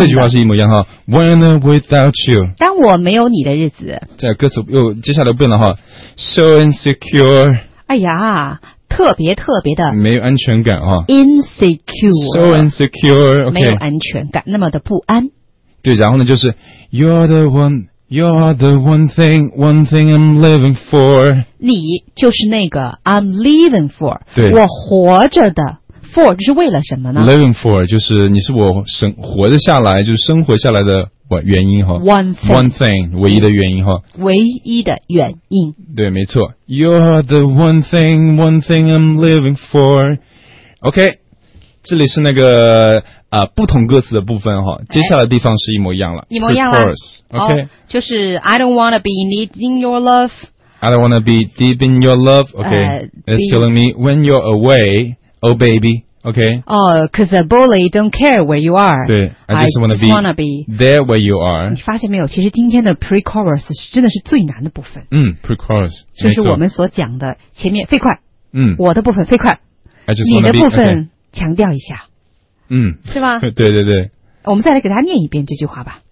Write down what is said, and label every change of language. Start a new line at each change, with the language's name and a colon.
Chinese: 这句话是一模一样哈。
English: When I'm without you，
Chinese: 当我没有你的日子。这歌词又接下来变了哈。
English: So insecure。
Chinese: 哎呀，特别特别的没有安全感啊
English: ，insecure， so insecure，、okay、
Chinese: 没有安全感，那么的不安。对，然后呢，就是
English: you're the one thing I'm living for，
Chinese: 你就是那个
English: I'm living for，
Chinese: 对，我活着的 for 就是为了什么呢？
English: living for
Chinese: 就是你是我生活的下来，就是生活下来的。原因哈
English: one thing
Chinese: 唯一的原因哈，唯一的原因，对，没错
English: ，You're the one thing I'm living for。
Chinese: OK， 这里是那个不同歌词的部分哈，接下来的地方是一模一样了，一模一样了。
English: Course, OK，、 oh,
Chinese: 就是
English: I don't wanna be needing your love， I don't wanna be deep in your love。 OK，、it's killing me when you're away， oh baby。 OK. Oh, because a bully don't care where you are.
Chinese: 对
English: I just wanna be there where you are.
Chinese: 你发现没有？其实今天的 pre-chorus 是真的是最难的部分。
English: 嗯 ，pre-chorus
Chinese: 就是我们所讲的前面飞快。嗯，我的部分飞快。
English: I just wanna be,
Chinese: 你的部分、
English: okay.
Chinese: 强调一下。嗯，是吗？对对对。我们再来给大家念一遍这句话吧。